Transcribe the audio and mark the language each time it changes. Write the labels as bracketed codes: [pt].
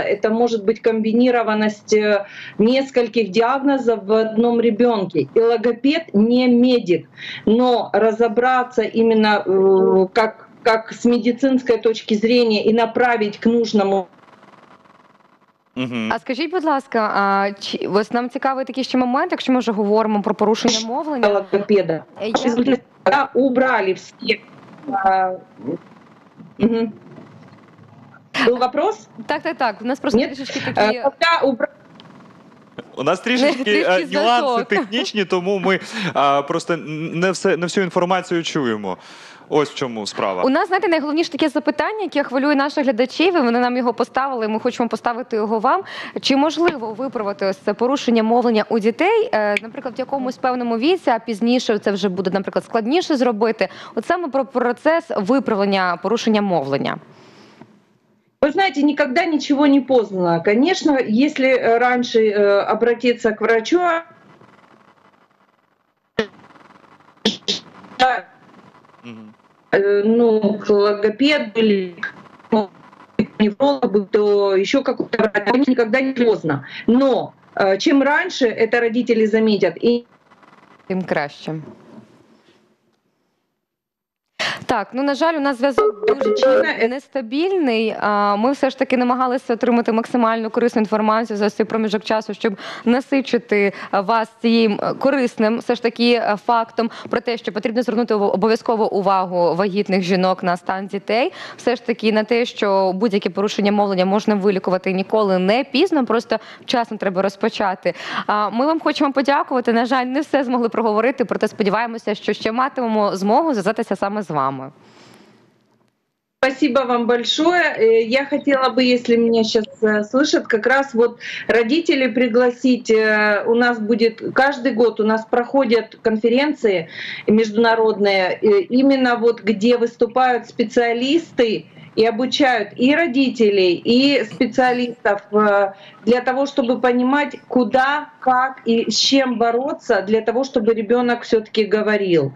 [ru] Это может быть комбинированность нескольких диагнозов в одном ребенке. И логопед не медик. Но разобраться именно как с медицинской точки зрения и направить к нужному. [uk] А скажіть, будь ласка, ось нам цікавий такий ще момент, якщо ми вже говоримо про порушення мовлення. Логопеда. Я убрали всі. Був [ru] вопрос? [uk] Так. У нас просто трішечки такі... У нас трішечки нюанси технічні, тому ми просто не всю інформацію чуємо. Ось в чому справа. У нас, знаєте, найголовніше таке запитання, яке хвилює наших глядачів, і вони нам його поставили, і ми хочемо поставити його вам. Чи можливо виправити ось це порушення мовлення у дітей, наприклад, в якомусь певному віці, а пізніше це вже буде, наприклад, складніше зробити? От саме про процес виправлення порушення мовлення. [ru] Вы знаете, никогда ничего не поздно. Конечно, если раньше обратиться к врачу, ну, к логопеду или к неврологу, то еще какой-то врач, никогда не поздно. Но чем раньше это родители заметят, тем [uk] краще. Так, ну, на жаль, у нас зв'язок дуже нестабільний. Ми все ж таки намагалися отримати максимально корисну інформацію за цей проміжок часу, щоб насичити вас цим корисним, все ж таки, фактом про те, що потрібно звернути обов'язково увагу вагітних жінок на стан дітей, все ж таки, на те, що будь-які порушення мовлення можна вилікувати ніколи не пізно, просто вчасно треба розпочати. Ми вам хочемо подякувати, на жаль, не все змогли проговорити, проте сподіваємося, що ще матимемо змогу зв'язатися саме з вами. [ru] Спасибо вам большое. Я хотела бы, если меня сейчас слышат, как раз вот родителей пригласить. У нас будет каждый год, у нас проходят конференции международные, именно вот где выступают специалисты и обучают и родителей, и специалистов для того, чтобы понимать, куда, как и с чем бороться, для того, чтобы ребенок все-таки говорил.